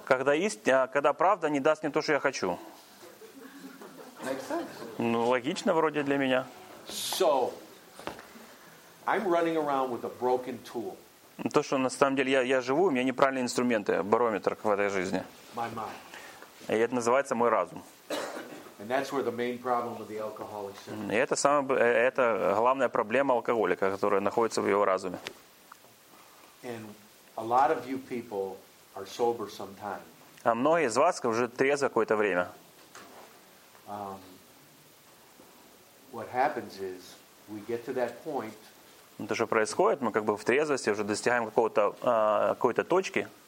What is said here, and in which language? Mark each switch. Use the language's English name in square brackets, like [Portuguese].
[Russian] Когда правда не даст мне то, что я хочу. [English] Makes sense. [Russian] Ну, логично вроде для меня. [English] So, I'm running around with a broken tool. [Russian] То, что на самом деле я живу, у меня неправильные инструменты, барометр в этой жизни. [English] My mind. [Russian] И это называется мой разум. [English] And that's where the main problem of the alcoholic is. [Russian] И это главная проблема алкоголика, которая находится в его разуме. [English] And a lot of you people are sober sometime. [Russian] А многие из вас уже трезвы какое-то время. [English] What happens is we get to that point. [Russian] То, что происходит, мы как бы в трезвости уже достигаем какой-то точки.